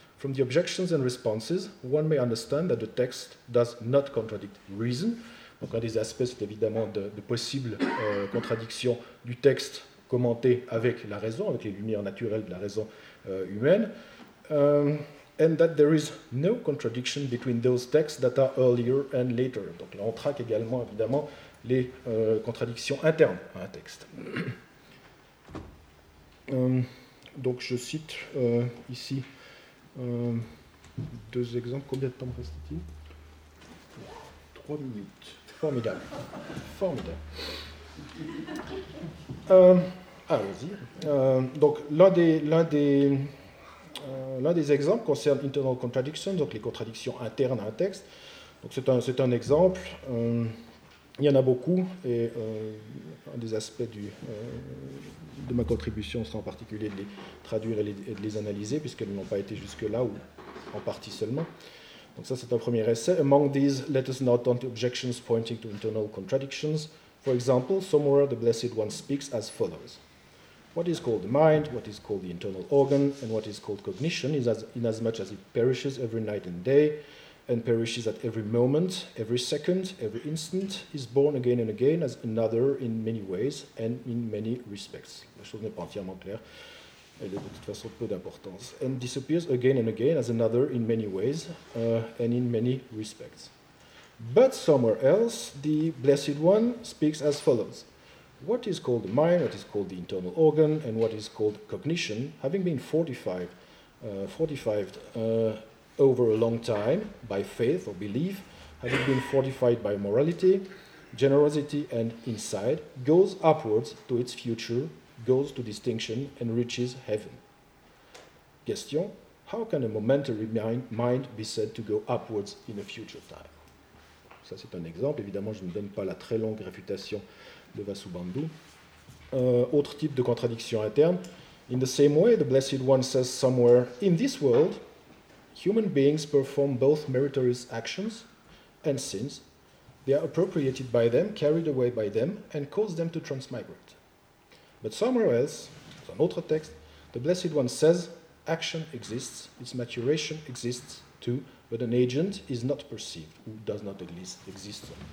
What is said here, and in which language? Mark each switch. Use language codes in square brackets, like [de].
[en] From the objections and responses, one may understand that the text does not contradict reason. [fr] Donc un des aspects, c'est évidemment de possibles contradictions du texte commenté avec la raison, avec les lumières naturelles de la raison humaine. [en] And that there is no contradiction between those texts that are earlier and later. [fr] Donc là, on traque également, évidemment, les contradictions internes à un texte. Donc je cite ici deux exemples. Combien de temps me reste-t-il? 3 minutes. Formidable. Formidable. Allons-y. Donc l'un des exemples concerne internal contradictions, donc les contradictions internes à un texte. Donc c'est un exemple. Il y en a beaucoup, et un des aspects de ma contribution sera en particulier de les traduire et de les analyser, puisqu'elles n'ont pas été jusque-là, ou en partie seulement. Donc ça, c'est un premier essai. [en] Among these, let us note on the objections pointing to internal contradictions. For example, somewhere the Blessed One speaks as follows. What is called the mind, what is called the internal organ, and what is called cognition, inasmuch as it perishes every night and day, and perishes at every moment, every second, every instant, is born again and again as another in many ways and in many respects. [fr] La chose n'est pas entièrement claire, elle est de toute façon peu d'importance. [en] And disappears again and again as another in many ways and in many respects. But somewhere else, the Blessed One speaks as follows. what is called the mind, what is called the internal organ, and what is called cognition, having been fortified over a long time by faith or belief, having been fortified by morality, generosity, and insight, goes upwards to its future, goes to distinction, and reaches heaven. Question: how can a momentary mind be said to go upwards in a future time? [fr] Ça, c'est un exemple. Évidemment, je ne donne pas la très longue réfutation de Vasubandhu. Autre type de contradiction interne. [en] In the same way, the Blessed One says somewhere, in this world, human beings perform both meritorious actions and sins. They are appropriated by them, carried away by them, and cause them to transmigrate. But somewhere else, [fr] dans un autre texte, [en] the Blessed One says, action exists, its maturation exists too, but an agent is not perceived, or does not exist.